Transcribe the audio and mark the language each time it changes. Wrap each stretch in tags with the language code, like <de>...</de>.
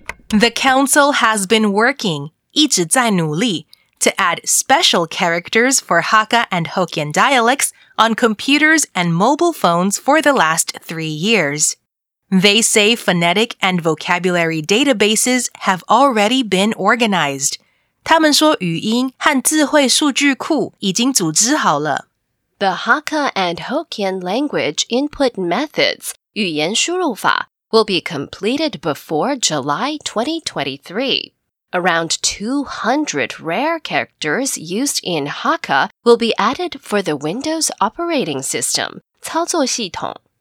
<en>The council has been working</en> <zh>一直在努力</zh> <en>to add special characters for Hakka and Hokkien dialects on computers and mobile phones for the last 3 years. They say phonetic and vocabulary databases have already been organized.</en> <zh>他们说语音和字汇数据库已经组织好了。</zh> <en>The Hakka and Hokkien language input methods,</en> <zh>语言输入法,</zh> <en>will be completed before July 2023. Around 200 rare characters used in Hakka will be added for the Windows operating system,</en> <zh>操作系统.</zh>